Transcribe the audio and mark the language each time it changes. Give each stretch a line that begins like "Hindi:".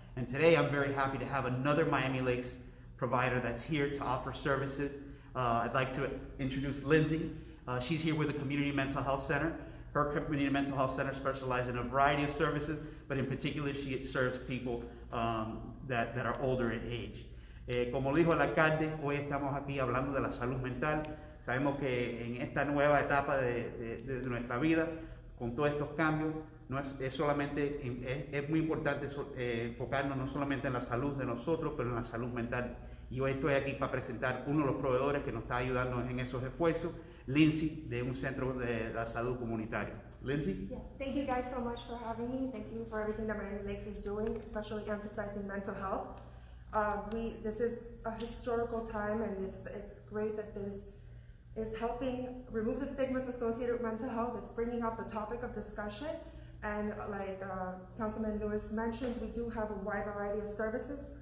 English: And today, I'm very happy to have another Miami Lakes provider that's here to offer services. I'd like to introduce Lindsay. She's here with the Community Mental Health Center. Her Community Mental Health Center specializes in a variety of services, but in particular, she serves people that are older in age.
Spanish: Como dijo el alcalde, hoy estamos aquí hablando de la salud mental. Sabemos que en esta nueva etapa de nuestra vida, con todos estos cambios, es muy importante enfocarnos no solamente en la salud de nosotros, pero en la salud mental. Y hoy estoy aquí para presentar uno de los proveedores que nos está ayudando en esos esfuerzos, Lindsay, de un centro de la salud comunitaria. Lindsay?
English: Yeah. Thank you guys so much for having me. Thank you for everything that Miami Lakes is doing, especially emphasizing mental health. This is a historical time, and it's great that this is helping remove the stigmas associated with mental health. It's bringing up the topic of discussion. And like Councilman Luis mentioned, we do have a wide variety of services.